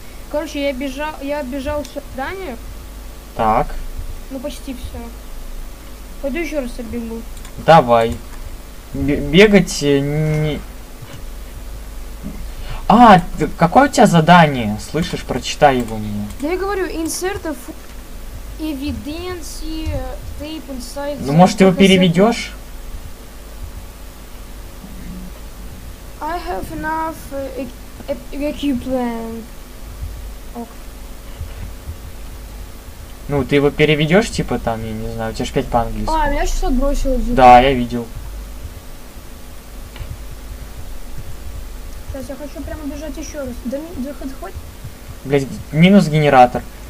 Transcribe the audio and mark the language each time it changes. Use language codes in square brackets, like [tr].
[ru] Короче, я бежал в здание. Так. Ну почти все. Пойду еще раз оббегу. Давай. Бегать не... А, какое у тебя задание? Слышишь, прочитай его мне. Да я говорю, [en] insert of evidence tape inside... [ru] Ну, может, ты его переведешь? [en] I have enough equipment. [ru] Ну, ты его переведешь, типа там, я не знаю, у тебя же 5 по-английски. А, меня сейчас отбросило. Да, я видел. Сейчас я хочу прямо бежать еще раз. Да хоть. Блять, минус генератор.